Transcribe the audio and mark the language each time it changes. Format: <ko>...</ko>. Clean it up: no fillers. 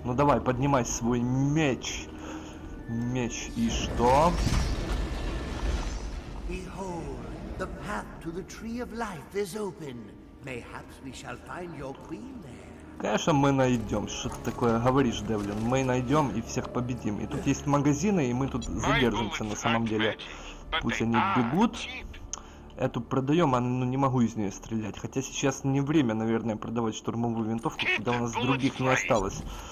<ru>ну давай, поднимай свой меч. Меч, и что?</ru> <en>Behold, the path to the tree of life is open. Mayhaps we shall find your queen there.</en> <ru>Конечно, мы найдем. Что ты такое говоришь, Девлин? Мы найдем и всех победим. И тут есть магазины, и мы тут задержимся на самом деле. Пусть они бегут. Эту продаем, а ну не могу из нее стрелять. Хотя сейчас не время, наверное, продавать штурмовую винтовку, когда у нас других не осталось.</ru>